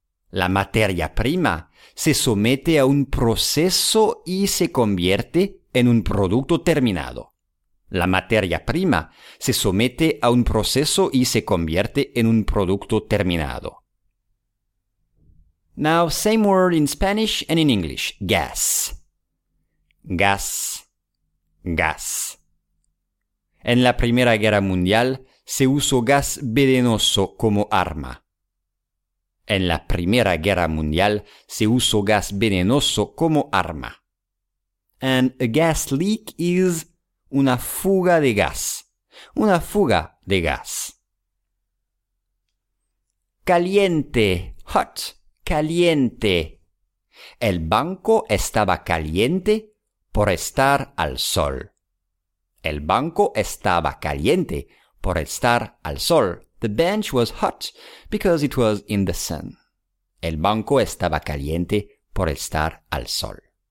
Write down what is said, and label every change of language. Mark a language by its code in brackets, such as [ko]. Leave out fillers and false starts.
[es] La materia prima se somete a un proceso y se convierte en un producto terminado. La materia prima se somete a un proceso y se convierte en un producto terminado. [en] Now, same word in Spanish and in English. Gas. Gas. Gas. [es] En la Primera Guerra Mundial, se usó gas venenoso como arma. En la Primera Guerra Mundial, se usó gas venenoso como arma. [en] And a gas leak is [es] una fuga de gas. Una fuga de gas. Caliente. Hot. Caliente. El banco estaba caliente por estar al sol. El banco estaba caliente por estar al sol. [en] The bench was hot because it was in the sun. [es] El banco estaba caliente por estar al sol.